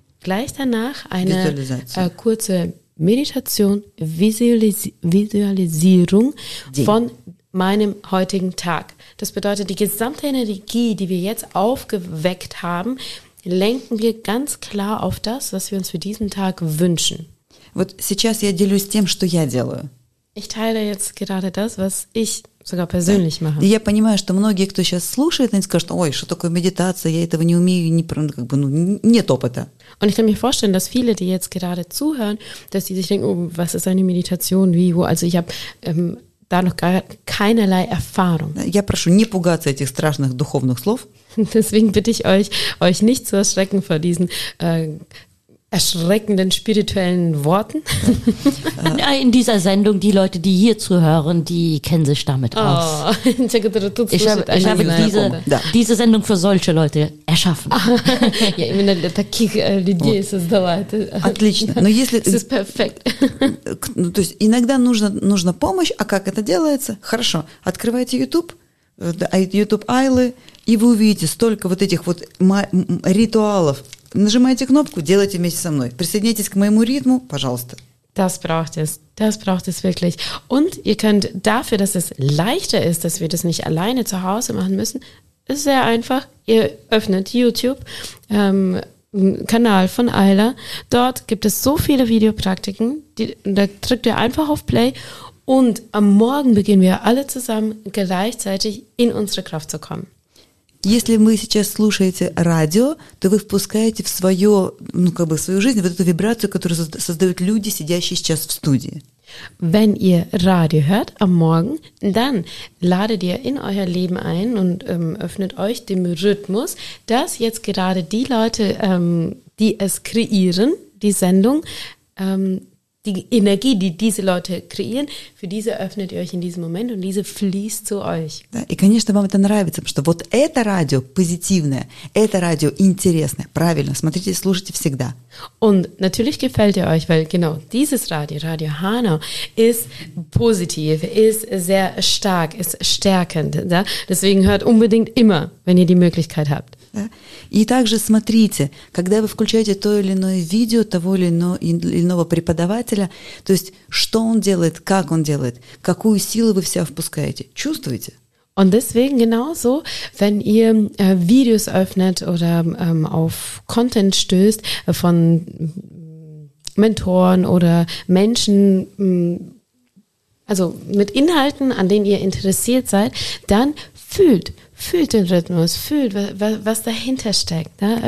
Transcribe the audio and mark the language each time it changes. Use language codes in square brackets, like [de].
[de] Gleich danach eine kurze Meditation, Visualisierung von meinem heutigen Tag. Das bedeutet, die gesamte Energie, die wir jetzt aufgeweckt haben, lenken wir ganz klar auf das, was wir uns für diesen Tag wünschen. [ru] Вот сейчас я делюсь тем, что я делаю. [de] Ich teile jetzt gerade das, was ich sogar persönlich mache. [ru] Я понимаю, что многие, кто сейчас слушает, они скажут: "Ой, что такое медитация? Я этого не умею, не про, как бы, ну, нет опыта." [de] Und ich kann mir vorstellen, dass viele, die jetzt gerade zuhören, dass die sich denken: "Oh, was ist eine Meditation? Wie, wo?" Also ich habe da noch gar keinerlei Erfahrung. [ru] Я прошу не пугаться этих страшных духовных слов. [de] Deswegen bitte ich euch, euch nicht zu erschrecken vor diesen erschreckenden spirituellen Worten. In dieser Sendung, die Leute, die hier zuhören, die kennen sich damit aus. Ich habe diese Sendung für solche Leute erschaffen. [ru] Ja, именно для таких людей создавать. Отлично. Но если это perfekt. Ну, то есть иногда нужна помощь, а как это делается? Хорошо. Открывайте YouTube Айлы, и вы увидите столько вот этих вот ритуалов. Нажимайте кнопку, делайте вместе со мной. Присоединяйтесь к моему ритму, пожалуйста. [de] Das braucht es wirklich. Und ihr könnt dafür, dass es leichter ist, dass wir das nicht alleine zu Hause machen müssen, ist sehr einfach. Ihr öffnet YouTube, Kanal von Ayla. Dort gibt es so viele Videopraktiken, da drückt ihr einfach auf Play und am Morgen beginnen wir alle zusammen gleichzeitig in unsere Kraft zu kommen. [ru] Если вы сейчас слушаете радио, то вы впускаете в свое, ну как бы в свою жизнь вот эту вибрацию, которую создают люди, сидящие сейчас в студии. [de] Wenn ihr Radio hört am Morgen, dann ladet ihr in euer Leben ein und öffnet euch dem Rhythmus, dass jetzt gerade die Leute, die es kreieren, die Sendung, die Energie, die diese Leute kreieren, für diese öffnet ihr euch in diesem Moment und diese fließt zu euch. [ru] Да, и, конечно, вам это нравится, потому что вот это радио позитивное, это радио интересное, правильно, смотрите, слушайте всегда. [de] Und natürlich gefällt ihr euch, weil genau dieses Radio, Radio Hanau, ist positiv, ist sehr stark, ist stärkend. [ru] Да? [de] Deswegen hört unbedingt immer, wenn ihr die Möglichkeit habt. [ru] Да. И также смотрите, когда вы включаете то или иное видео того или иного преподавателя, то есть что он делает, как он делает, какую силу вы в себя впускаете, чувствуете? [de] Und deswegen genauso, wenn ihr Videos öffnet oder auf Content stößt von Mentoren oder Menschen, also mit Inhalten, an denen ihr interessiert seid, dann fühlt den Rhythmus, fühlt, was dahinter steckt, ne?